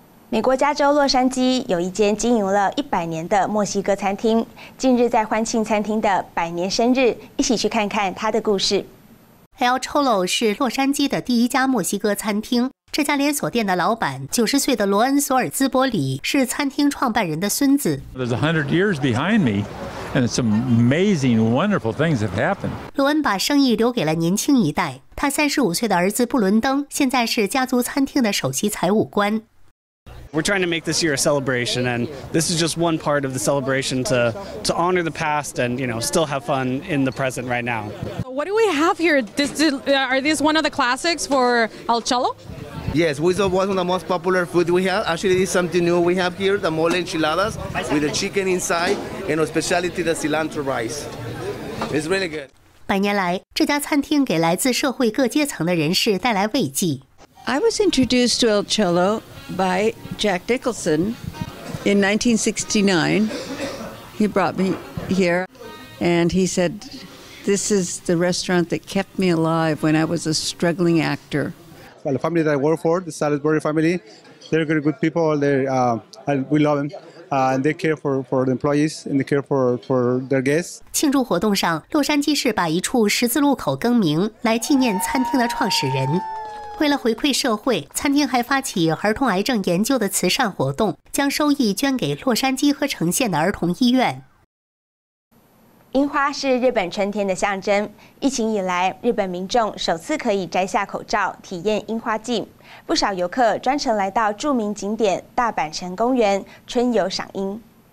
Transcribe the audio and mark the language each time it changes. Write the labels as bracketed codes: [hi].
[zh] 美国加州洛杉矶有一间经营了100年的墨西哥餐厅，近日在欢庆餐厅的百年生日，一起去看看它的故事。 El Cholo 是洛杉矶的第一家墨西哥餐厅，这家连锁店的老板90岁的罗恩索尔兹波里是餐厅创办人的孙子。 [en] There's 100 years behind me, and some amazing, wonderful things have happened. [zh] 罗恩把生意留给了年轻一代。他35岁的儿子布伦登现在是家族餐厅的首席财务官。 [en] We're trying to make this year a celebration, and this is just one part of the celebration to honor the past and, you know, still have fun in the present right now. What do we have here? Are these one of the classics for El Cholo? Yes, it was one of the most popular food we have. Actually, it's something new we have here, the mole enchiladas with the chicken inside and our specialty, the cilantro rice. It's really good. [zh] 百年来，这家餐厅给来自社会各阶层的人士带来慰藉。 [en] I was introduced to El Cholo by Jack Nicholson in 1969. He brought me here and he said, this is the restaurant that kept me alive when I was a struggling actor. The family that I work for, the Salisbury family, they're very good people. We love them, and they care for the employees and they care for their guests. [zh] 庆祝活动上，洛杉矶市把一处十字路口更名，来纪念餐厅的创始人。为了回馈社会，餐厅还发起儿童癌症研究的慈善活动，将收益捐给洛杉矶和城县的儿童医院。樱花是日本春天的象征，疫情以来，日本民众首次可以摘下口罩体验樱花季，不少游客专程来到著名景点大阪城公园春游赏樱。